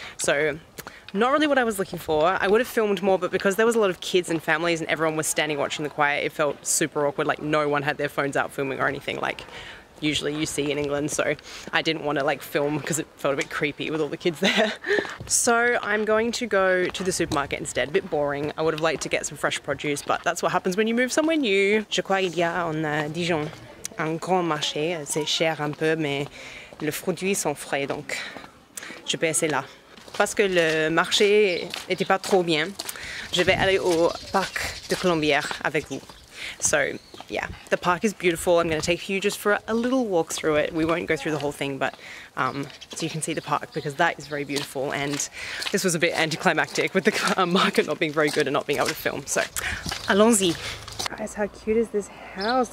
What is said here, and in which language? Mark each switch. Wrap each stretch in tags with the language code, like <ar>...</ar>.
<en>So not really what I was looking for. I would have filmed more, but because there was a lot of kids and families and everyone was standing watching the choir, it felt super awkward. Like no one had their phones out filming or anything like usually you see in England, so I didn't want to like film because it felt a bit creepy with all the kids there. So I'm going to go to the supermarket instead. A bit boring. I would have liked to get some fresh produce, but that's what happens when you move somewhere new.</en> <fr>Je crois qu'il y a en Dijon un grand marché. C'est cher un peu, mais les produits sont frais, donc je vais essayer là. Parce que le marché n'était pas trop bien, je vais aller au parc de Colombiere avec vous.</fr> <en>So, yeah, the park is beautiful. I'm going to take you just for a little walk through it. We won't go through the whole thing, but so you can see the park because that is very beautiful. And this was a bit anticlimactic with the market not being very good and not being able to film.</en> <fr>So, allons-y.</fr> <en>Guys, how cute is this house?</en>